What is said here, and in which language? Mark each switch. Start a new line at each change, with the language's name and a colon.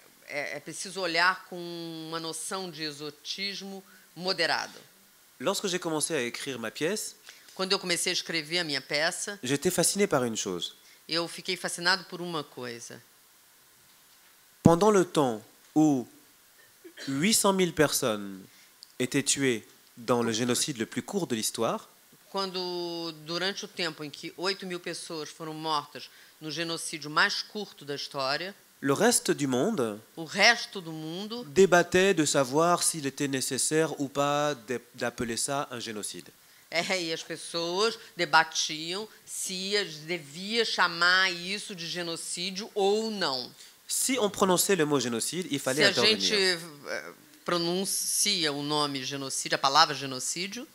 Portuguese: É preciso olhar com uma noção de exotismo moderado.
French: Lorsque j'ai commencé à écrire ma pièce,
Portuguese: quando eu comecei a escrever a minha peça,
French: j'étais fasciné par une chose.
Portuguese: Eu fiquei fascinado por uma coisa.
French: Pendant le temps où 800 000 personnes étaient tuées dans le génocide le plus court de l'histoire,
Portuguese: quando durante o tempo em que 8 mil pessoas foram mortas no genocídio mais curto da história,
French: le reste du monde,
Portuguese: o resto do mundo
French: débattait de savoir s'il était nécessaire ou pas d'appeler ça un génocide.
Portuguese: E as pessoas debatiam se devia chamar isso de genocídio ou não.
French: Si on prononçait le mot génocide, il fallait intervenir.
Portuguese: Se a gente pronuncia o nome genocídio, a palavra genocídio,